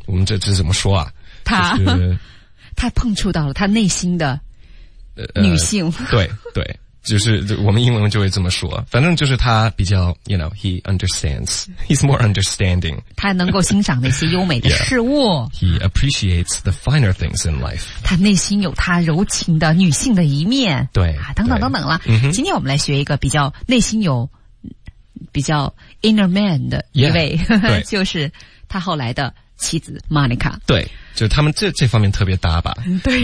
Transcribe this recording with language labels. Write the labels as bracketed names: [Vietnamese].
[Chinese] 我们这怎么说啊他、就是、他碰触到了他内心的女性。对对就是我们英文就会这么说反正就是他比较 [English] you know, he understands, he's more understanding. [Chinese] 他能够欣赏那些优美的事物。 [English] Yeah, he appreciates the finer things in life. [Chinese] 他内心有他柔情的女性的一面。对。啊、等等等等了、 mm-hmm. 今天我们来学一个比较内心有比较 inner man 的一位 yeah, 就是他后来的妻子 Monica。对。就是他们这方面特别搭吧。对。